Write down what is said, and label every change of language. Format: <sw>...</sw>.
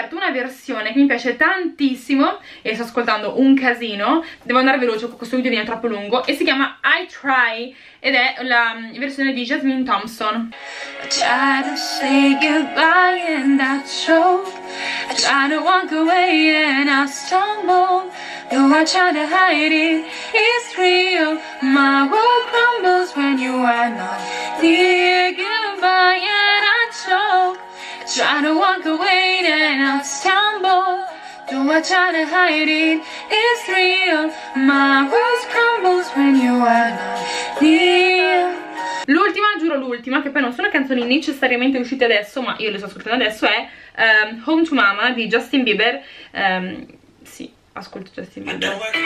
<it>Versione che mi piace tantissimo e sto ascoltando un casino, devo andare veloce perché questo video viene troppo lungo, e si chiama I Try ed è la versione di Jasmine Thompson.</it> <en>I try to say goodbye and I choke, I try to walk away and I stumble, though I try to hide it, it's real, my world crumbles when you are not here, goodbye and I choke, try to walk away and I'll stumble, though I try to hide it, it's real, my world crumbles when you are not here.</en> <it>L'ultima, giuro l'ultima, che poi non sono canzoni necessariamente uscite adesso, ma io le sto ascoltando adesso, è Home to Mama di Justin Bieber. Sì, ascolto Justin Bieber.</it>